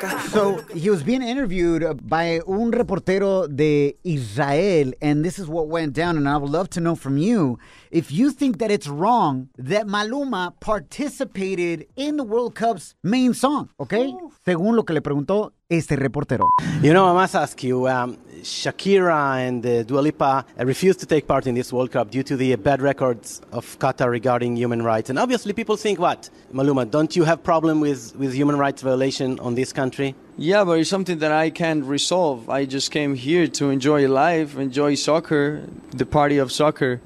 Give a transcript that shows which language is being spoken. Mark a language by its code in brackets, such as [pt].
[en] So he was being interviewed by [es] un reportero de Israel, [en] and this is what went down, and I would love to know from you if you think that it's wrong that Maluma participated in the World Cup's main song, okay? [es] Según lo que le preguntó este reportero. [en] You know, I must ask you, Shakira and Dua Lipa refused to take part in this World Cup due to the bad records of Qatar regarding human rights. And obviously people think, what, Maluma, don't you have problem with human rights violation on this country? Yeah, but it's something that I can't resolve. I just came here to enjoy life, enjoy soccer, the party of soccer.